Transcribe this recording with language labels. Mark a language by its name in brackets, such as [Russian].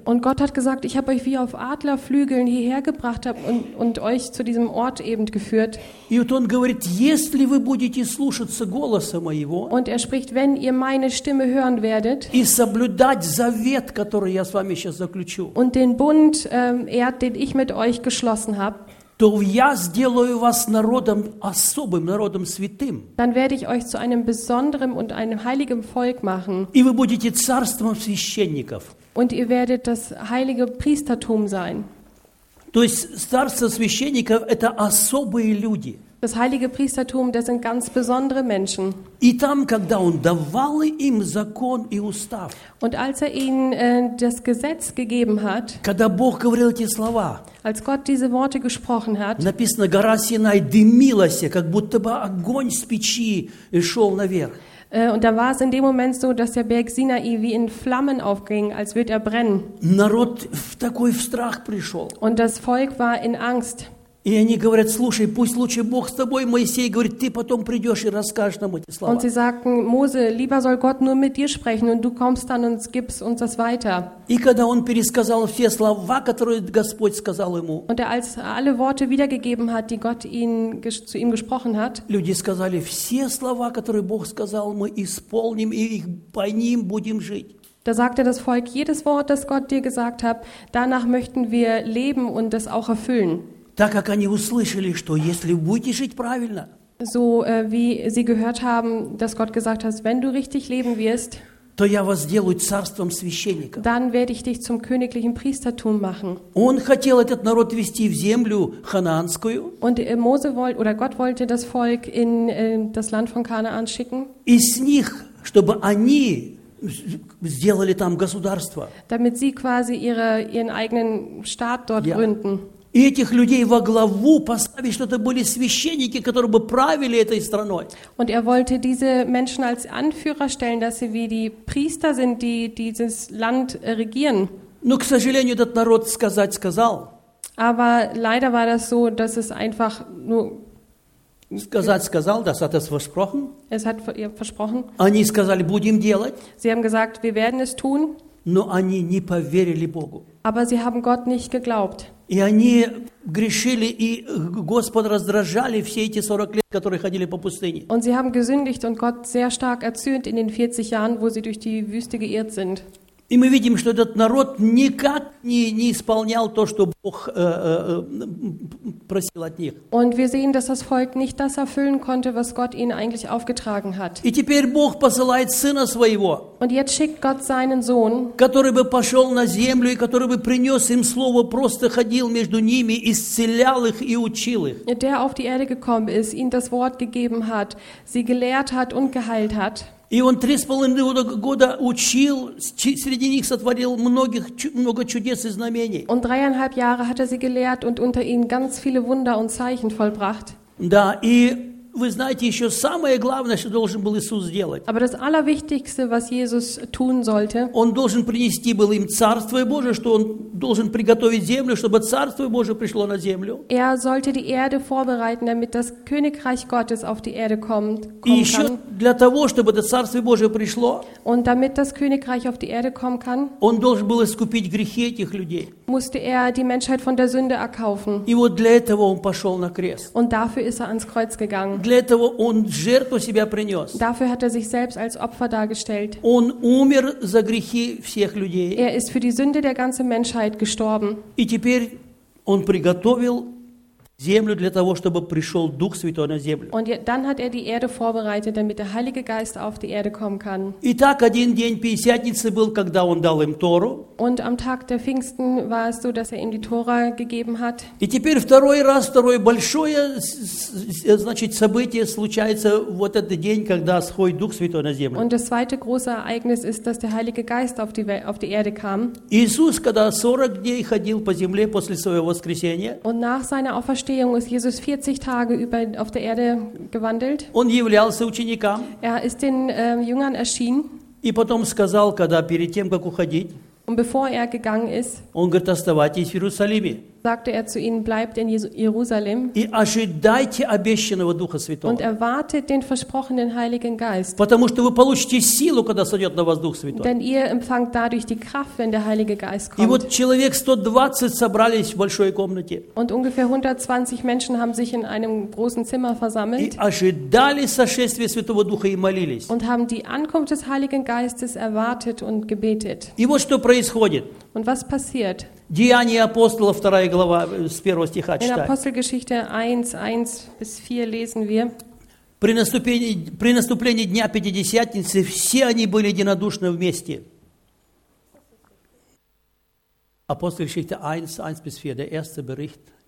[German] Und Gott hat gesagt, ich habe euch wie auf Adlerflügeln hierher gebracht und euch zu diesem Ort eben geführt. [Russian] И вот он говорит, если вы будете слушаться голоса моего, [German] und er spricht, wenn ihr meine Stimme hören werdet, [Russian] и соблюдать завет, который я с вами сейчас заключу, [German] und den Bund, den ich mit euch geschlossen habe, [Russian] то я сделаю вас народом особым, народом святым. [German] Dann werde ich euch zu einem besonderen und einem heiligen Volk machen. [Russian] И вы будете царством священников. [German] Und ihr werdet das heilige Priestertum sein. [Russian] То есть царство священников – это особые люди. [German] Das heilige Priestertum, das sind ganz besondere Menschen. [Russian] И там, когда он давал им закон и устав. [German] Und als er ihnen das Gesetz gegeben hat, [Russian] когда Бог говорил эти слова, [German] als Gott diese Worte gesprochen hat, [Russian] написано, гора Синай дымилась, как будто бы огонь с печи шел наверх. [German] Und da war es in dem Moment so, dass der Berg Sinai wie in Flammen aufging, als würde er brennen. [Russian] Народ в такой страх пришел. [German] Und das Volk war in Angst. [Russian] И они говорят, слушай, пусть лучше Бог с тобой, Моисей говорит, ты потом придешь и расскажешь нам эти слова. [German] Und sie sagten, Mose, lieber soll Gott nur mit dir sprechen und du kommst dann und gibst uns das weiter. [Russian] И когда он пересказал все слова, которые Господь сказал ему, [German] und er als alle Worte wiedergegeben hat, die Gott ihn, zu ihm gesprochen hat, [Russian] люди сказали, все слова, которые Бог сказал, мы исполним и их, по ним будем жить. [German] Da sagte das Volk, jedes Wort, das Gott dir gesagt hat, danach möchten wir leben und das auch erfüllen. [Russian] Так как они услышали, что если будете жить правильно, [German] so wie sie gehört haben, dass Gott gesagt hat, wenn du richtig leben wirst, [Russian] то я вас сделаю царством священников. [German] Dann werde ich dich zum königlichen Priestertum machen. [Russian] Он хотел этот народ вести в землю Ханаанскую. [German] Und Mose wollte oder Gott wollte das Volk in das Land von Kanaan schicken. [Russian] И с них, чтобы они сделали там государство. [German] Damit sie quasi ihren eigenen Staat dort gründen. [Russian] И этих людей во главу поставить, что это были священники, которые бы правили этой страной. [German] Und er wollte diese Menschen als Anführer stellen, dass sie wie die Priester sind, die dieses Land regieren. [Russian] Но, к сожалению, этот народ сказать сказал. [German] Aber leider war das so, dass es einfach nur [Russian] сказать сказал, [German] das hat es versprochen. Es hat ihr versprochen. [Russian] Они сказали, будем делать. [German] Sie haben gesagt, wir werden es tun. [Russian] Но они не поверили Богу. [German] Aber sie haben Gott nicht geglaubt. [Russian] И они грешили, и Господь раздражали все эти 40 лет, которые ходили по пустыне. [German] Und sie haben gesündigt und Gott sehr stark erzürnt in den 40 Jahren, wo sie durch die Wüste geirrt sind. [Russian] И мы видим, что этот народ никак не исполнял то, что Бог просил от них. [German] Und wir sehen, dass das Volk nicht das erfüllen konnte, was Gott ihnen eigentlich aufgetragen hat. [Russian] И теперь Бог посылает Сына Своего. [German] Und jetzt schickt Gott seinen Sohn, [Russian] который бы пошел на землю и который бы принес им слово, просто ходил между ними, исцелял их и учил их. [German] Der auf die Erde gekommen ist, ihnen das Wort gegeben hat, sie gelehrt hat und geheilt hat. [Russian] И он 3,5 года учил, среди них сотворил много чудес и знамений. [German] Und 3,5 Jahre hat sie gelehrt und unter ihnen ganz viele Wunder und Zeichen vollbracht. [Russian] Да, и вы знаете, еще самое главное, что должен был Иисус сделать. [German] Aber das Allerwichtigste, was Jesus tun sollte, [Russian] он должен принести был им Царство Божие, что он должен приготовить землю, чтобы Царство Божие пришло на землю. [German] Er sollte die Erde vorbereiten, damit das Königreich Gottes auf die Erde kommt. [Russian] И еще для того, чтобы это Царство Божие пришло, [German] und damit das Königreich auf die Erde kommen kann, [Russian] он должен был искупить грехи этих людей. [German] Musste er die Menschheit von der Sünde erkaufen. [Russian] И вот для этого он пошел на крест. [German] Und dafür ist er ans Kreuz gegangen. [Russian] Для этого он жертву себя принес. [German] Dafür hat sich selbst als Opfer dargestellt. [Russian] Он умер за грехи всех людей. [German] Er ist für die Sünde der ganzen Menschheit gestorben. [Russian] И теперь он приготовил землю для того, чтобы пришел Дух Святой на землю. [German] Und dann hat die Erde vorbereitet, damit der Heilige Geist auf die Erde kommen kann. [Russian] Итак, один день Пятидесятницы был, когда он дал им Тору. [German] Und am Tag der Pfingsten war es so, dass ihnen die Tora gegeben hat. [Russian] И теперь второй раз, второе большое, значит, событие случается в этот день, когда сходит Дух Святой на землю. [German] Und das zweite große Ereignis ist, dass der Heilige Geist auf die Erde kam. [Russian] Иисус, когда 40 дней ходил по земле после своего воскресения. [German] Und nach seiner Auferstehung ist Jesus 40 Tage über auf der Erde gewandelt. [Russian] Он являлся ученикам. [German] Er ist den Jüngern erschienen. [Russian] И потом сказал, когда перед тем, как уходить, [German] und bevor er gegangen ist, [Russian] он говорит, оставайтесь в Иерусалиме. [German] Sagte er zu ihnen, bleibt in Jerusalem. [Russian] И ожидайте обещанного Духа Святого. [German] Und erwartet den versprochenen Heiligen Geist. [Russian] Потому что вы получите силу, когда сойдет на вас Дух Святой. [German] Denn ihr empfangt dadurch die Kraft, wenn der Heilige Geist kommt. [Russian] И вот человек 120 собрались в большой комнате. [German] Und ungefähr 120 Menschen haben sich in einem großen Zimmer versammelt. [Russian] И ожидали сошествия Святого Духа и молились. [German] Und haben die Ankunft des Heiligen Geistes erwartet und gebetet. [Russian] И вот что происходит. [German] Und was passiert? [Russian] Деяния апостолов, 2 глава, с 1 стиха читаем. [German] In Apostelgeschichte 1:1-4 lesen wir. [Russian] При наступлении дня Пятидесятницы все они были единодушны вместе. [German] Apostelgeschichte 1:1-4, der erste Bericht.